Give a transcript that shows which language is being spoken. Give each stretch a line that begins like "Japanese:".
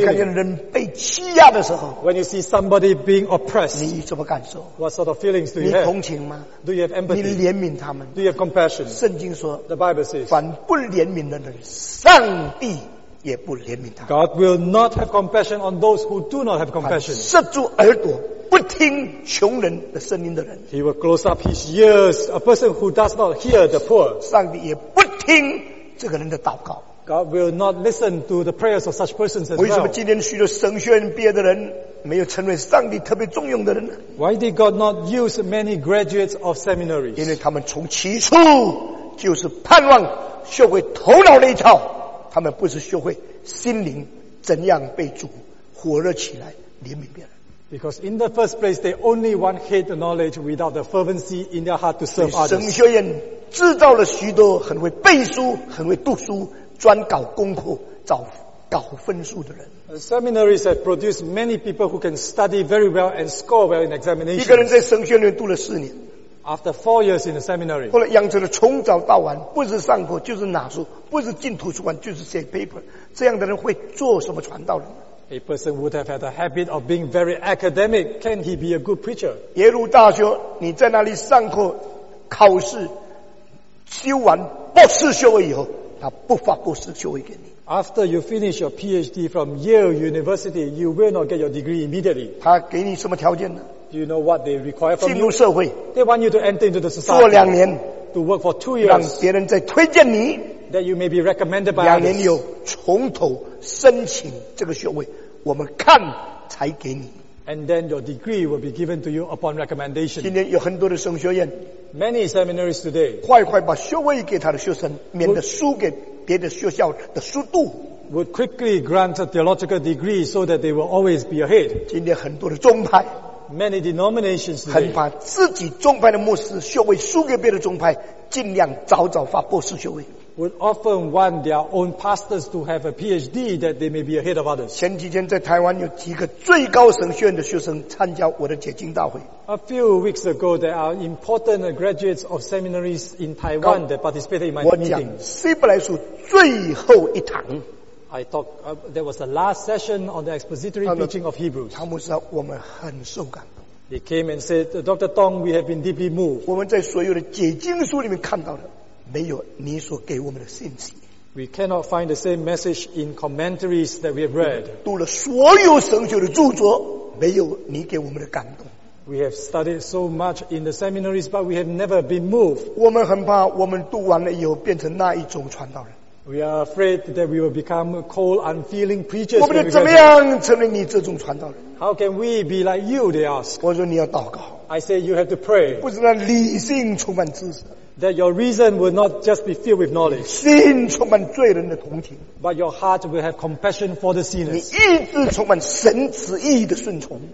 Chinese: 你看见人被欺压的时候。
English: When you see somebody being oppressed.
Chinese: 你什么感受
English: ？What sort of feelings do you have?
Chinese: 你同情吗
English: ？Do you have empathy?
Chinese: 你怜悯他们
English: ？Do you have compassion?
Chinese: 圣经说。
English: The Bible says.
Chinese: 凡不怜悯的人，上帝也不怜悯他。
English: God will not have compassion on those who do not have compassion.
Chinese: 塞住耳朵。不听穷人的声音的人
English: He will close up his ears A person who does not hear the poor
Chinese: 上帝也不听这个人的祷告
English: God will not listen to the prayers of such persons as well
Chinese: 为什么今天许多神学院毕业的人没有成为上帝特别重用的人
English: Why did God not use many graduates of seminaries
Chinese: 因为他们从起初就是盼望学会头脑的一套他们不是学会心灵怎样被主火热起来怜悯别人
English: Because in the first place, they only want hate knowledge without the fervency in their heart to serve others.
Chinese: 神学院制造了许多很会背书、很会读书、专搞功课、找搞分数的人。
English: Seminaries have produced many people who can study very well and score well in examinations.
Chinese: 一个人在神学院读了四年。
English: After 4 years in the seminary.
Chinese: 后来养成了从早到晚，不是上课就是拿书，不是进图书馆就是写 paper。这样的人会做什么传道人？
English: A person would have had a habit of being very academic. Can he be a good preacher?
Chinese: 耶鲁大学，你在那里上课、考试，修完博士学位以后，他不发博士学位给你。
English: After you finish your PhD from Yale University, you will not get your degree immediately.
Chinese: 他给你什么条件呢？
English: Do you know what they require from you?
Chinese: 进入社会。
English: They want you to enter into the society.
Chinese: 做两年。
English: To work for 2 years.
Chinese: 让别人再推荐你。
English: That you may be recommended by others.
Chinese: 两年有从头。申请这个学位我们看才给你
English: and then your degree will be given to you upon recommendation
Chinese: 今天有很多的神学院
English: many seminaries today
Chinese: 快快把学位给他的学生免得输给别的学校的速度
English: would quickly grant a theological degree so that they will always be ahead
Chinese: 今天很多的宗派
English: many denominations today
Chinese: 很怕自己宗派的牧师学位输给别的宗派尽量早早发博士学位
English: would often want their own pastors to have a PhD that they may be ahead of others.
Chinese: 前几天在台湾有几个最高神学院的学生参加我的解经大会。
English: A few weeks ago, there are important graduates of seminaries in Taiwan that participated in my meeting.
Chinese: 我讲希伯来书最后一堂。
English: I talked, there was the last session on the expository preaching of Hebrews.
Chinese: 汤牧师，我们很受感。
English: They came and said, Dr. Tong, we have been deeply moved.
Chinese: 我们在所有的解经书里面看到的。没有你所给我们的信息。
English: We cannot find the same message in commentaries that we have read.
Chinese: 读了所有神学的著作，没有你给我们的感动。
English: We have studied so much in the seminaries, but we have never been moved.
Chinese: 我们很怕我们读完了以后变成那一种传道人。
English: We are afraid that we will become cold, unfeeling preachers.
Chinese: 我们怎么样成为你这种传道人?
English: How can we be like you, they ask.
Chinese: 我说你要祷告。
English: I say you have to pray.
Chinese: 不是让理性充满知识。
English: That your reason will not just be filled with knowledge.
Chinese: 心充满罪人的同情。
English: But your heart will have compassion for the sinners.
Chinese: 你意志充满神旨意的顺从。